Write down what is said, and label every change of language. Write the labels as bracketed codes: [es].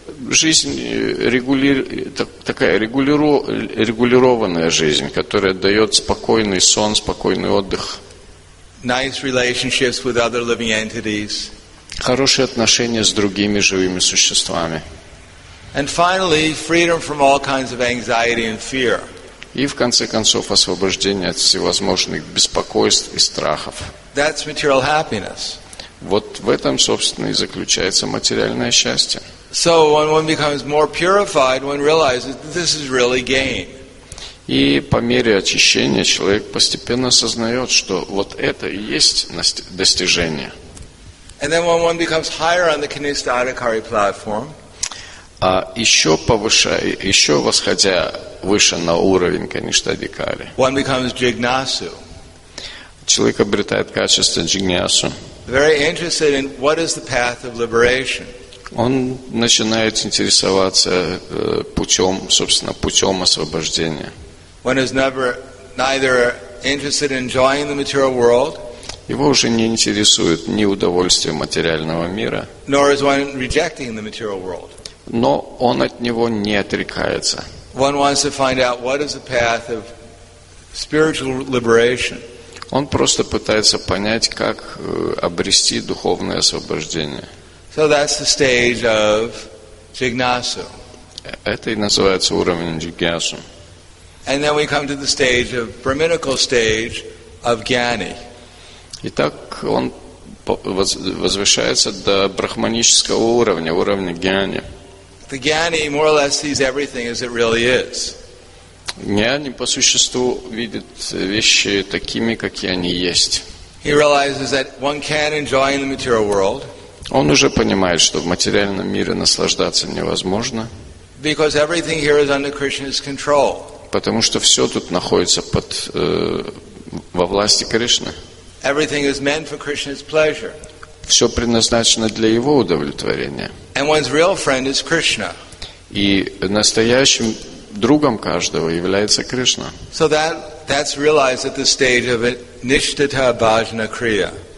[ru] Жизнь такая регулированная жизнь, которая дает спокойный сон, спокойный отдых. [en] Nice relationships with other living entities. [ru] Хорошие отношения с другими живыми существами. [en] And finally, freedom from all kinds of anxiety and fear. [ru] И в конце концов освобождение от всевозможных беспокойств и страхов. [en] That's material happiness. [ru] Вот в этом, собственно, и заключается материальное счастье. [en] So when one becomes more purified, one realizes this is really gain. [ru] И по мере очищения человек постепенно осознает, что вот это и есть достижение. [en] And then when one becomes higher on the Kanista Adhikari platform. [ru] А еще повышая, еще восходя выше на уровень Каништа Адхикари. [en] One becomes Jignasu. [ru] Человек обретает качество джигнясу. [en] Very interested in what is the path of liberation. [ru] Он начинает интересоваться путем освобождения. [en] One is neither interested in enjoying the material world. [ru] Его уже не интересует ни удовольствие материального мира. [en] Nor is one rejecting the material world. [ru] Но он от него не отрекается. [en] One wants to find out what is the path of spiritual liberation. [ru] Он просто пытается понять, как обрести духовное освобождение. [en] So that's the stage of jignasu. [ru] Это и называется уровень джигьясу. [en] And then we come to the stage of brahminical stage of gyani. [ru] Итак, он возвышается до брахманического уровня, уровня гьяни. [en] The gyani more or less sees everything as it really is. [ru] Гьяни по существу видит вещи такими, какие они есть. [en] He realizes that one can enjoy in the material world. [ru] Он уже понимает, что в материальном мире наслаждаться невозможно. [en] Because everything here is under Krishna's control. [ru] Потому что все тут находится под во власти Кришны. [en] Everything is meant for Krishna's pleasure. [ru] Все предназначено для его удовлетворения. [en] And one's real friend is Krishna. [ru] И настоящим другом каждого является Кришна. [en] So that's realized at the stage of nishtata bhajana kriya.